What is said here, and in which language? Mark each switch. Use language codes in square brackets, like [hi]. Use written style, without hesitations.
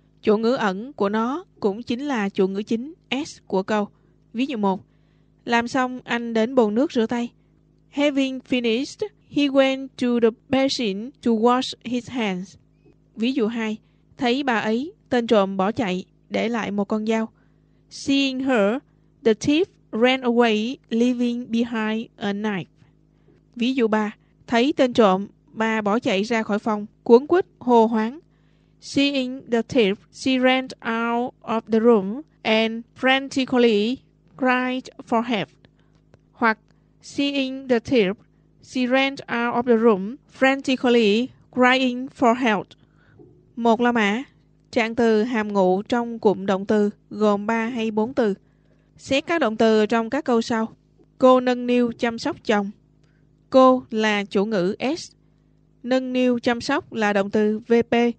[vi] Chủ ngữ ẩn của nó cũng chính là chủ ngữ chính S của câu. Ví dụ 1. Làm xong anh đến bồn nước rửa tay. [en] Having finished, he went to the basin to wash his hands. [vi] Ví dụ 2. Thấy bà ấy, tên trộm bỏ chạy, để lại một con dao. [en] Seeing her, the thief ran away, leaving behind a knife. [vi] Ví dụ 3. Thấy tên trộm, bà bỏ chạy ra khỏi phòng, cuống quýt, hô hoáng. [en] Seeing the thief, she ran out of the room and frantically cried for help. [vi] Hoặc, [en] seeing the thief, she ran out of the room, frantically crying for help. [vi] Một La Mã, trạng từ hàm ngụ trong cụm động từ gồm 3 hay 4 từ. Xét các động từ trong các câu sau. Cô nâng niu chăm sóc chồng. Cô là chủ ngữ S. Nâng niu chăm sóc là động từ VP.